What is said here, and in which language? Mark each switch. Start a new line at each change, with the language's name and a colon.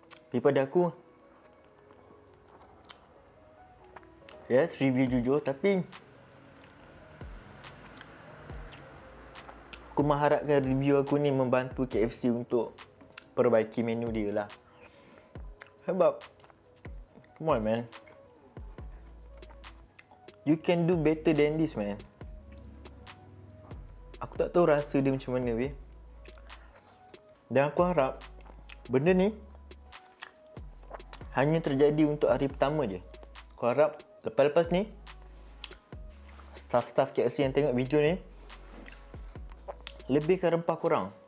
Malay: Tapi pada aku, yes, review jujur, tapi aku mengharapkan review aku ni membantu KFC untuk perbaiki menu dia lah. Sebab,
English: come on man, you can do better than this man.
Malay: Aku tak tahu rasa dia macam mana weh. Dan aku harap benda ni hanya terjadi untuk hari pertama je. Aku harap lepas-lepas ni staff-staff KFC yang tengok video ni lebihkan rempah korang.